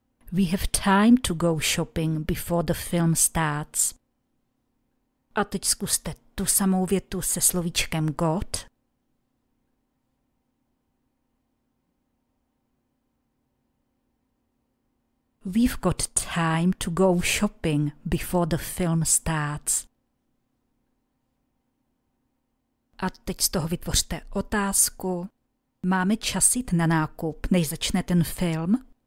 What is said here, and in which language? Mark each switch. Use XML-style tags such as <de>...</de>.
<en>We have time to go shopping before the film starts.</en> <cs>A teď zkuste tu samou větu se slovíčkem got.</cs> <en>We've got time to go shopping before the film starts.</en> <cs>A teď z toho vytvořte otázku. Máme čas jít na nákup, než začne ten film?</cs>